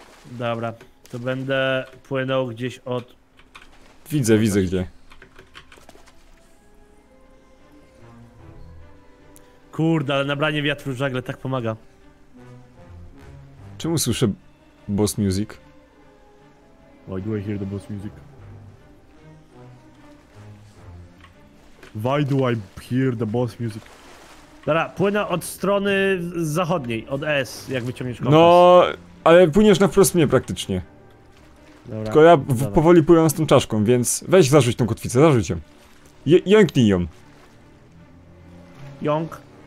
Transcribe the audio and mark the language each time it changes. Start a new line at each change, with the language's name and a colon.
Polish: Dobra, to będę płynął gdzieś od... Widzę, widzę gdzie. Kurde, ale nabranie wiatru w żagle tak pomaga. Czemu słyszę boss music?
English: Why do I hear the boss music? Why do I hear the boss music?
Polish: Dobra, płynę od strony zachodniej, od S, jak wyciągniesz kompas. No, ale płyniesz na wprost mnie praktycznie. Dobra, tylko ja powoli płynę z tą czaszką, więc weź zarzuć tą kotwicę, zarzuć ją. Jąknij ją. Jąk.